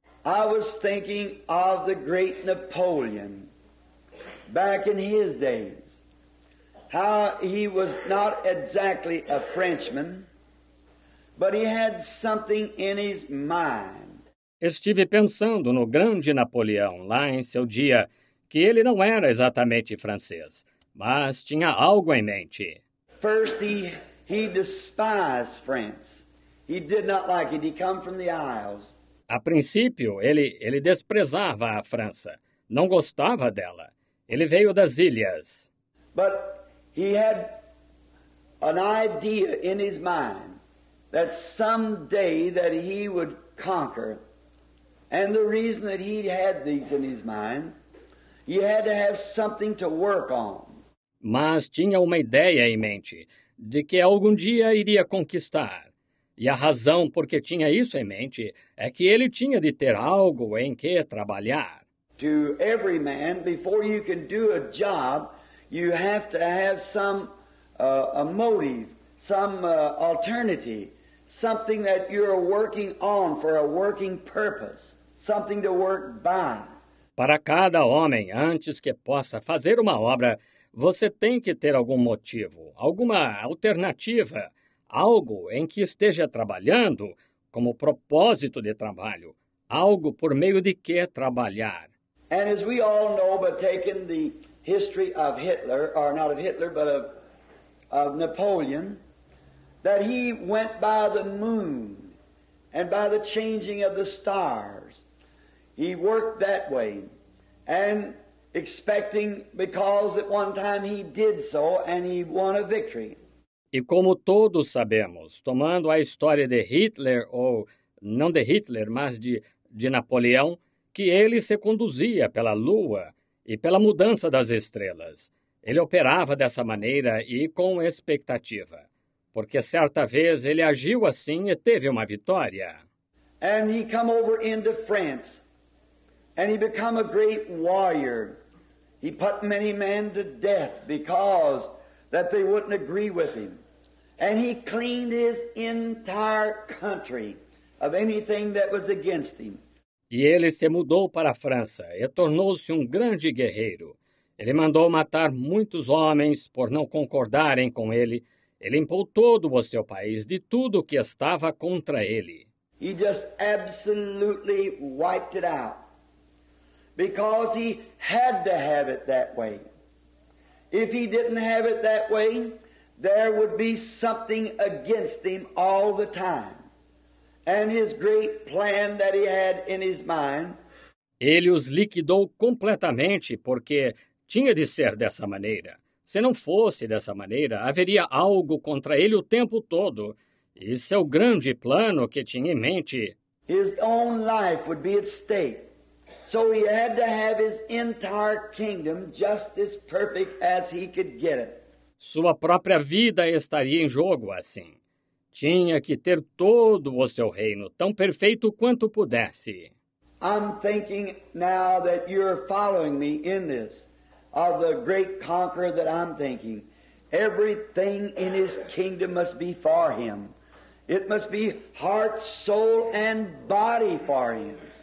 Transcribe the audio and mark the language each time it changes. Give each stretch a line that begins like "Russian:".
English: I was thinking of the great Napoleon back in his days. How he was not exactly a Frenchman, but he had something in his mind.
Portuguese: Estive pensando no grande Napoleão lá em seu dia, que ele não era exatamente francês, mas tinha algo em mente.
English: First he despised France. He did not like it. He come from the Isles.
Portuguese: A princípio, ele desprezava a França. Não gostava dela. Ele veio das ilhas.
English: But he had an idea in his mind that someday that he would conquer. And the reason that he had these in his mind, he had to have something to work on.
Portuguese: Mas tinha uma ideia em mente de que algum dia iria conquistar. E a razão porque tinha isso em mente é que ele tinha de ter algo em que trabalhar.
English: To every man, before you can do a job, you have to have some a motive, some alternative, something that you're working on for a working purpose, something to work by.
Portuguese: Para cada homem, antes que possa fazer uma obra, você tem que ter algum motivo, alguma alternativa, algo em que esteja trabalhando, como propósito de trabalho, algo por meio de que trabalhar.
English: And as we all know, but taking the history of Hitler, or not of Hitler, but of Napoleon, that he went by the moon and by the changing of the stars. He worked that way, and expecting because at one time he did so and he won a victory.
Portuguese: E como todos sabemos, tomando a história de Hitler, ou não de Hitler, mas de Napoleão, que ele se conduzia pela lua e pela mudança das estrelas. Ele operava dessa maneira e com expectativa. Porque certa vez ele agiu assim e teve uma vitória.
English: And he come over into France, and he become a great warrior. He put many men to death because that they wouldn't agree with him. And he cleaned his entire country of anything that was against him.
Portuguese: E ele se mudou para a França e tornou-se um grande guerreiro. Ele mandou matar muitos homens por não concordarem com ele. Ele limpou todo o seu país de tudo que estava contra ele.
English: He just absolutely wiped it out. Because he had to have it that way. If he didn't have it that way, there would be something against him all the time. And his great plan that he had in his mind.
Portuguese: Ele os liquidou completamente porque tinha de ser dessa maneira. Se não fosse dessa maneira, haveria algo contra ele o tempo todo. E seu grande plano que tinha em mente.
English: His own life would be at stake. So he had to have his entire kingdom just as perfect as he could get it.
Portuguese: Sua própria vida estaria em jogo assim. Tinha que ter todo o seu reino tão perfeito quanto pudesse.
English: I'm thinking now that you're following me in this, of the great conqueror that I'm thinking. Everything in his kingdom must be for him. It must be heart, soul, and body for him.